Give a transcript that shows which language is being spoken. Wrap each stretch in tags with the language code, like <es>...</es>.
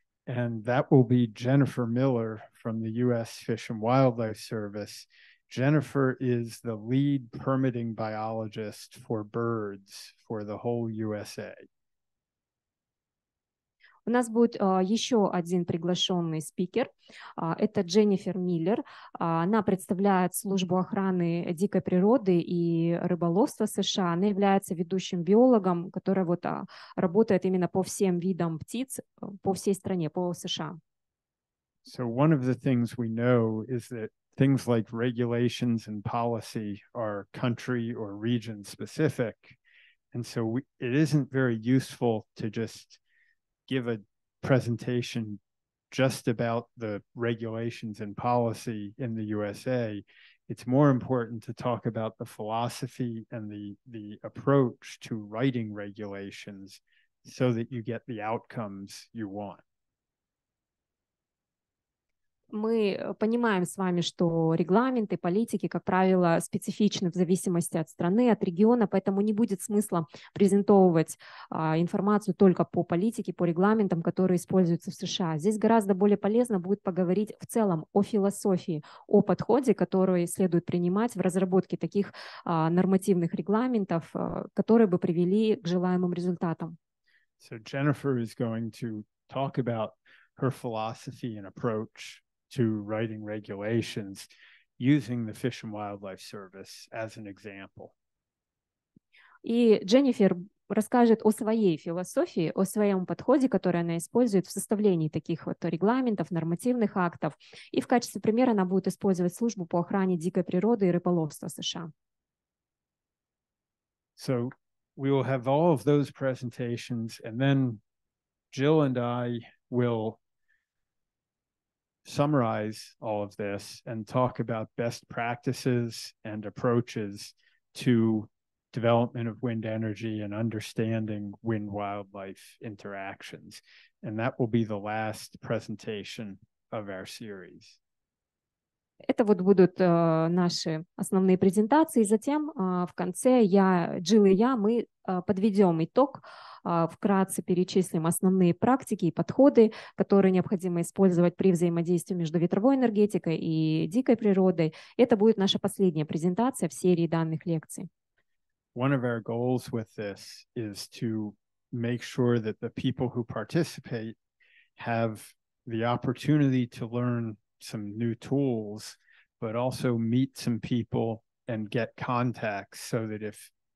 <en>And that will be Jennifer Miller from the U.S. Fish and Wildlife Service. Jennifer is the lead permitting biologist for birds for the whole USA.</en> <ru>У нас будет еще один приглашенный спикер. Это Дженнифер Миллер. Она представляет службу охраны дикой природы и рыболовства США. Она является ведущим биологом, которая вот работает именно по всем видам птиц по всей стране, по США.</ru> <en>So one of the things we know is that things like regulations and policy are country or region specific. And so it isn't very useful to just give a presentation just about the regulations and policy in the USA. It's more important to talk about the philosophy and the approach to writing regulations so that you get the outcomes you want.</en> <ru>Мы понимаем с вами, что регламенты, политики, как правило, специфичны в зависимости от страны, от региона, поэтому не будет смысла презентовывать информацию только по политике, по регламентам, которые используются в США. Здесь гораздо более полезно будет поговорить в целом о философии, о подходе, который следует принимать в разработке таких нормативных регламентов, которые бы привели к желаемым результатам.</ru> <en>So Jennifer is going to talk about her philosophy and approach to writing regulations using the Fish and Wildlife Service as an example.</en> <ru>И Дженнифер расскажет о своей философии, о своем подходе, который она использует в составлении таких вот регламентов, нормативных актов. И в качестве примера она будет использовать службу по охране дикой природы и рыболовства США.</ru> <en>So we will have all of those presentations, and then Jill and I will summarize all of this and talk about best practices and approaches to development of wind energy and understanding wind-wildlife interactions. And that will be the last presentation of our series.</en> <ru>Это вот будут наши основные презентации. Затем в конце Джилл и я, мы подведем итог вкратце перечислим основные практики и подходы, которые необходимо использовать при взаимодействии между ветровой энергетикой и дикой природой. Это будет наша последняя презентация в серии данных лекций.</ru> <en>One of our goals with this is to make sure that the people who participate have the opportunity to learn some new tools, but also meet some people and get contacts so that if</en>